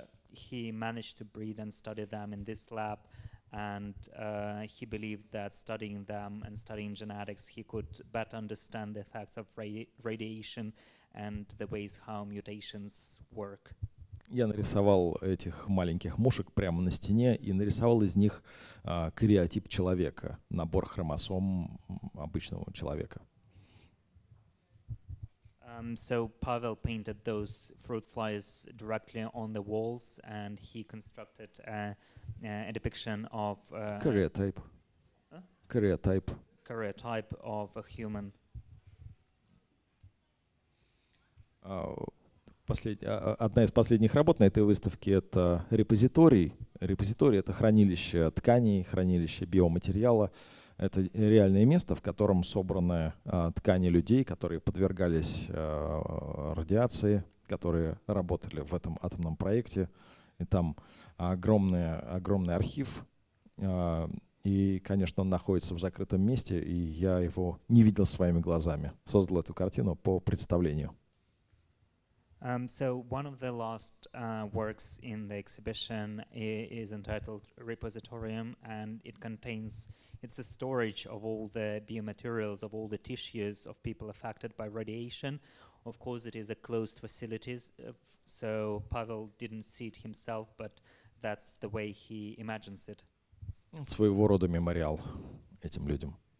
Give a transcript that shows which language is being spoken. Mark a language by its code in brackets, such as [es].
[en] He managed to breed and study them in this lab, and he believed that studying them and studying genetics, he could better understand the effects of radiation and the ways how mutations work. [ru] Я нарисовал этих маленьких мушек прямо на стене и нарисовал из них кариотип человека, набор хромосом обычного человека. [en] So Pavel painted those fruit flies directly on the walls, and he constructed a depiction of karyotype of a human. [ru] Одна из последних работ на этой выставке — это репозиторий. Репозиторий — это хранилище тканей, хранилище биоматериала. Это реальное место, в котором собраны ткани людей, которые подвергались радиации, которые работали в этом атомном проекте. И там огромный архив. И, конечно, он находится в закрытом месте, и я его не видел своими глазами. Создал эту картину по представлению. [en] So one of the last works in the exhibition is entitled Repositorium, and it contains... It's a storage of all the biomaterials, of all the tissues of people affected by radiation. Of course, it is a closed facility, so Pavel didn't see it himself, but that's the way he imagines it. [ru] Своего рода мемориал этим людям.